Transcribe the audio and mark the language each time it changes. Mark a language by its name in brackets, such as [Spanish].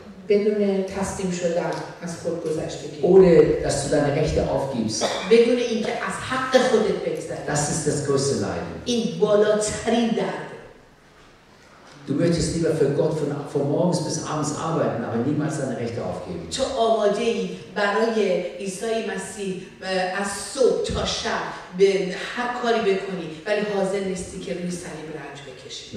[Persian] بدون تسلیم شدن از خود گذشتگی. [German] Ohne dass du deine Rechte aufgibst. [Persian] بدون اینکه از حق خودت بگذری. [German] Das ist das größte Leid. [Persian] این بالاترین درد. [German] Du möchtest lieber für Gott von morgens bis abends arbeiten, aber niemals deine Rechte aufgeben. [Persian] تو آماده ای برای عیسی مسیح از صبح تا شب به هر کاری بکنی ولی حاضر نیستی که روی صلیب رنج بکشی.